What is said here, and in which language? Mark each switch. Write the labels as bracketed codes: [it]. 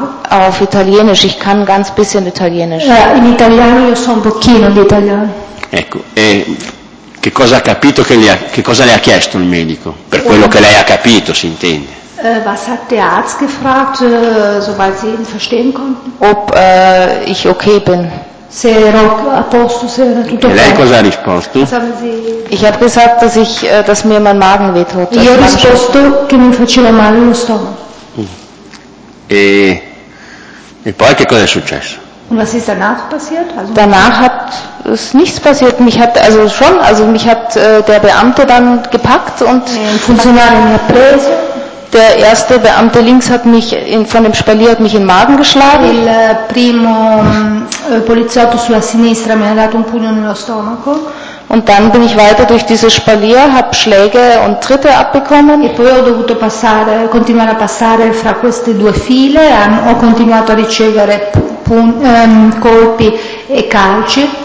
[de] Auf Italienisch, ich kann ganz bisschen Italienisch. [it] In italiano io so un pochino di italiano. Ecco, e che cosa ha capito, che cosa le ha chiesto il medico? Per quello che lei ha capito, si intende. [de] Was hat der Arzt gefragt, soweit sie ihn verstehen konnten? Ob ich okay bin. [it] Se ero a posto, se era tutto bene. E lei cosa ha risposto? [de] Ich habe gesagt, dass ich, dass mir mein Magen wehtut. [it] Io ho risposto che mi faceva male lo stomaco. E poi che cosa è successo? [de] Und was ist danach passiert? Also danach hat es nichts passiert. Mich hat der Beamte dann gepackt und [it] funktionale mi ha preso. [de] Der erste Beamte links hat mich von dem Spalier hat mich in den Magen geschlagen. [it] Il primo poliziotto sulla sinistra mi ha dato un pugno nello stomaco. [de] Und dann bin ich weiter durch dieses Spalier, habe Schläge und Tritte abbekommen. [it] E poi ho dovuto passare, continuare a passare fra queste due file, ho continuato a ricevere colpi e calci.